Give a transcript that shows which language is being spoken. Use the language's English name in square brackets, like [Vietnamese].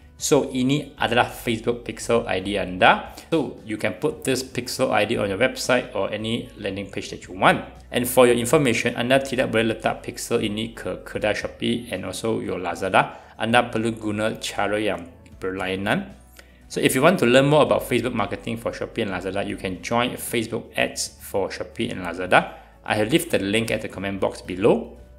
[Malay] So ini adalah Facebook pixel ID anda. [English] So you can put this pixel ID on your website or any landing page that you want. And for your information, [Malay] anda tidak boleh letak pixel ini ke kedai Shopee [English] and also your [Malay] Lazada. Anda perlu guna cara yang berlainan. [English] So if you want to learn more about Facebook marketing for Shopee and Lazada, you can join Facebook ads for Shopee and Lazada. I have left the link at the comment box below.